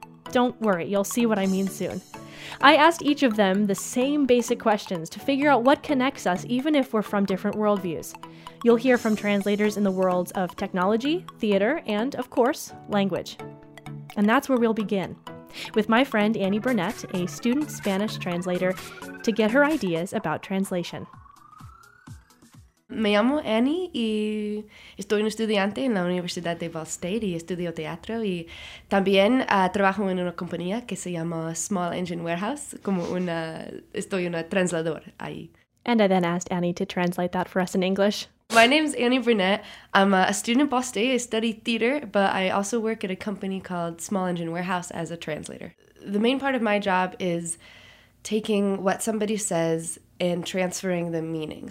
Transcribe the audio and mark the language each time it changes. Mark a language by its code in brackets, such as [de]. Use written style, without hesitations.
[en] Don't worry, you'll see what I mean soon. I asked each of them the same basic questions to figure out what connects us, even if we're from different worldviews. You'll hear from translators in the worlds of technology, theater, and, of course, language. And that's where we'll begin, with my friend Annie Burnett, a student Spanish translator, to get her ideas about translation. [es] Me llamo Annie y estoy un estudiante en la Universidad de Ball State y estudio teatro y también trabajo en una compañía que se llama Small Engine Warehouse, como una, estoy una translador ahí. [en] And I then asked Annie to translate that for us in English. My name is Annie Burnett. I'm a student at Ball State. I study theater, but I also work at a company called Small Engine Warehouse as a translator. The main part of my job is taking what somebody says and transferring the meaning.